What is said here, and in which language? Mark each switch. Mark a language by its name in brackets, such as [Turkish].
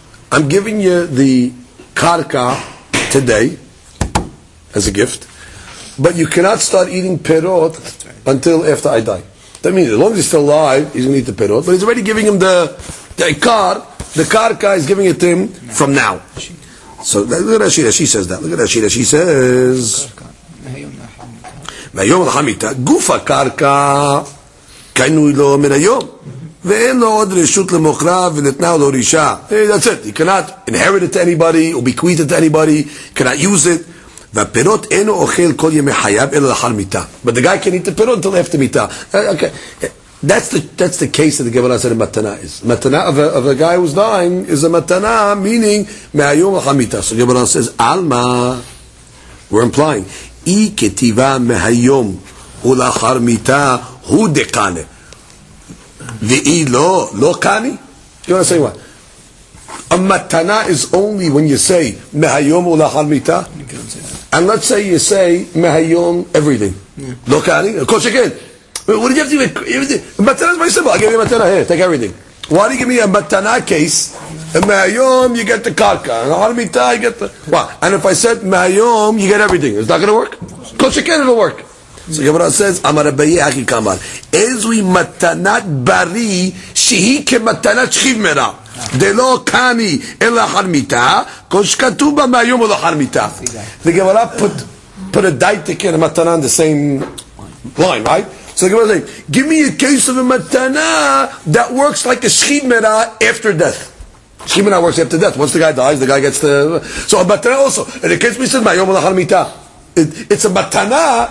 [English] I'm giving you the karka today as a gift, but you cannot start eating perot until after I die. That means as long as he's still alive, he's going to eat the perot, but he's already giving him the ikar. The karka is giving it to him from now. So look at Rashida, she says that. Look at Rashida, she says... [Hebrew] מהיום לחמיתה, גוף הקרקע קנוי לו מן היום, ואין לו עוד רשות למוכרה ונתנה לו רישה. [English] That's it. He cannot inherit it to anybody or bequeath it to anybody. He cannot use it. [Hebrew] והפירות אינו אוכל כל ימי חייו אלא לאחר מיתה. [English] But the guy can eat the פירות until after מיתה. Okay. That's the case that the Gemara said a matana is. Matana of a guy who's dying is a matana, meaning [Hebrew] מהיום לחמיתה. [English] So Gemara says, Alma, we're implying, [Hebrew] אי כתיבה מהיום ולאחר מיתה הוא דקנה ואי לא קני. [English] You want to say what? A matana is only when you say [Hebrew] מהיום ולאחר מיתה. [English] And let's say you say מהיום everything. [Hebrew] לא קני? [English] Of course you can. What do you have to do? Matana is very simple. I give you a matana here. Take everything. Why do you give me a matana case? מהיום you get the karka, [Hebrew] לאחר מיתה [English] you get the... Wow. And if I said מהיום you get everything, is that going to work? Of course you can, it'll work. So Gemara says, [Hebrew] אמר רבי אחי כאמר, איזוי מתנת ברי שהיא כמתנת שכיב מרע, דלא קני אין לאחר מיתה, כל שכתוב בה מהיום הוא לאחר מיתה. [English] The Gemara put a daitik in a matana in the same line, right? So Gemara says, give me a case of a matana that works like a שכיב מרע after death. Shimon works after death. Once the guy dies, the guy gets the... So a matana also. In the case we said, [Hebrew] Mayom al-Achal Mita. [English] It's a matana.